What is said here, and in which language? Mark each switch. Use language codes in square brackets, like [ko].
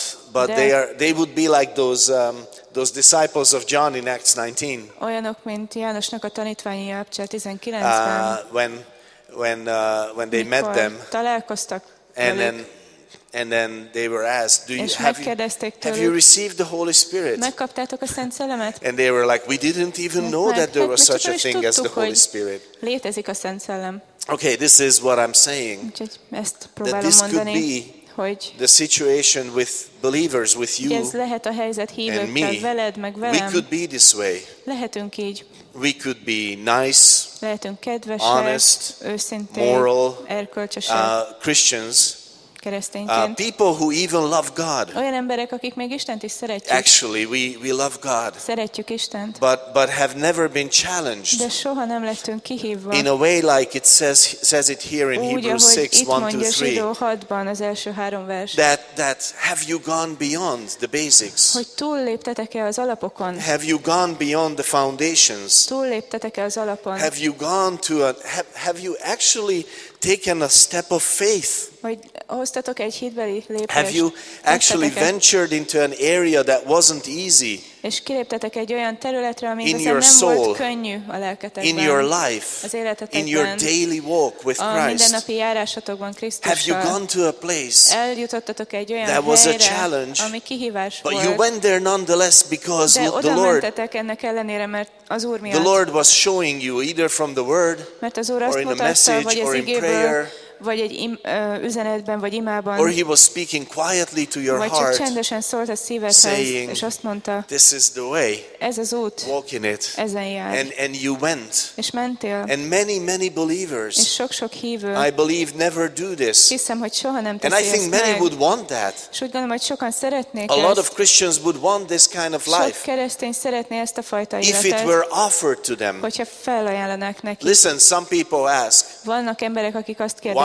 [en] But they would be like those disciples of John in Acts 19. [hu] Olyanok, mint Jánosnak a tanítványi Apcsel 19-ben. [en] When they met them, [hu] találkoztak [en] and then they were asked, have you received the Holy Spirit? [hu] Megkaptátok a Szent Szellemet? [en] And they were like, we didn't even know that there was such a thing as the Holy Spirit. [hu] Létezik a Szent Szellem. [en] Okay, this is what I'm saying. [hu] Ezt próbálom mondani, hogy [en] the situation with believers, with you, [hu] ez lehet a helyzet hívőkkel, veled, meg velem. [en] We could be this way. [hu] Lehetünk így. [en] We could be nice, [hu] lehetünk kedvesek, [en] honest, [hu] őszintén, [en] moral, [hu] erkölcsösek, [en] Christians, [hu] keresztényként, [en] people who even love God. [hu] Olyan emberek, akik még Istent is szeretjük. [en] Actually, we love God. [hu] Szeretjük Istent. [en] But have never been challenged. [hu] De soha nem lettünk kihívva. [en] In a way like it says it here in Hebrews 6:1-3. [hu] Úgy, ahogy itt mondja Zsidó 6-ban az első három vers. [en] That have you gone beyond the basics? [hu] Hogy túlléptetek-e az alapokon? [en] Have you gone beyond the foundations? [hu] Túlléptetek-e az alapon? [en] Have you gone to have you actually taken a step of faith? [hu] Hogy hoztatok egy hitbeli lépést. [en] Have you actually ventured into an area that wasn't easy? [hu] És kiléptetek egy olyan területre, ami nem volt könnyű a lelketekben. [en] In your life. [hu] Az életetekben. [en] In your daily walk with Christ. [hu] A mindennapi járásatokban Krisztussal. [en] Have you gone to a place? [hu] Eljutottatok egy olyan helyre, ami kihívás volt. [en] But you went there nonetheless because the Lord. [hu] De odamentetek ennek ellenére, mert az Úr miatt. [en] The Lord was showing you either from the word, [hu] mert az Úr azt mutatta, [en] message, [hu] vagy az [en] or in prayer, [hu] vagy egy üzenetben, vagy imában, [en] or he was speaking quietly to your [hu] vagy [en] heart, [hu] csak csendesen szólt a szívedhez, [en] saying, [hu] és azt mondta, [en] this is the way, [hu] ez az út, [en] walk in it, [hu] ezen jár, [en] and you went, [hu] és mentél, [en] and many, many believers, [hu] és sok-sok hívő, [en] I believe, never do this, [hu] hiszem, hogy soha nem [en] and I think many [hu] meg, [en] would want that, [hu] és úgy gondolom, hogy sokan szeretnék [en] a [hu] ezt, [en] lot of Christians would want this kind of life, [hu] sok keresztény szeretné ezt a fajta [en] if [hu] életet, [en] it were offered to them, [hu] hogyha felajánlanak neki. [en] Listen, some people ask, [hu] vannak emberek, akik azt kérdezik,